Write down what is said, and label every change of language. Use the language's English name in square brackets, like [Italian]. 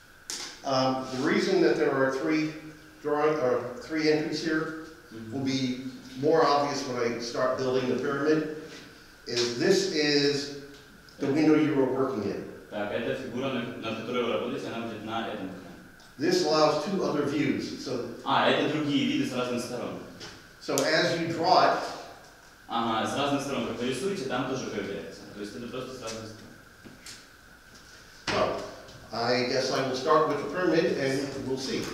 [English] The reason that there are three entries here will be more obvious when I start building the pyramid. Is this is the window you were working in? [Russian] Так, эта фигура, на которой вы работаете, она будет на этом. [English] This allows two other views. So. [Russian] Это другие виды с разных сторон. [English] So as you draw it. [Russian] С разных сторон, как вы рисуете, там тоже появляется. То есть это просто с разных сторон. [English] I guess I will start with the pyramid and we'll see.